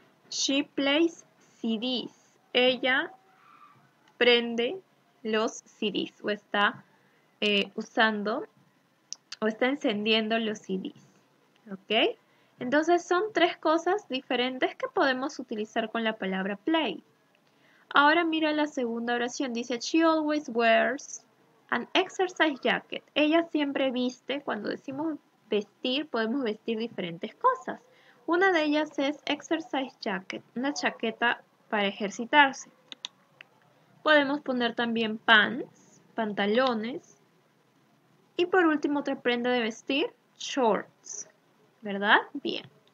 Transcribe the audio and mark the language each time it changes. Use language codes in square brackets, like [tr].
[en] She plays CDs. [es] Ella prende los CDs o está usando o está encendiendo los CDs. ¿Ok? Entonces son tres cosas diferentes que podemos utilizar con la palabra play. Ahora mira la segunda oración. [en] Dice, she always wears an exercise jacket. [es] Ella siempre viste. Cuando decimos vestir, podemos vestir diferentes cosas. Una de ellas es exercise jacket, una chaqueta para ejercitarse. Podemos poner también pants, pantalones. Y por último, otra prenda de vestir, shorts. ¿Verdad? Bien.